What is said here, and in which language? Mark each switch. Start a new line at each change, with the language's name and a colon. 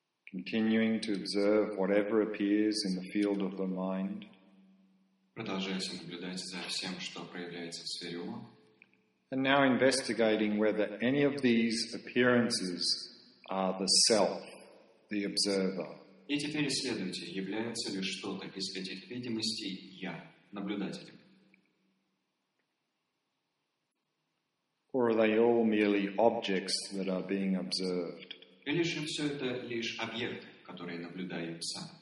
English: Continuing to observe whatever appears in the field of the mind.
Russian: Продолжайте наблюдать за всем, что проявляется в сфере ума.
English: And now investigating whether any of these appearances are the self, the observer.
Russian: И теперь исследуйте, является ли что-то из этих видимостей я, наблюдателем.
English: Or are they all merely objects that are being observed?
Russian: Или же все это лишь объекты, которые наблюдаются?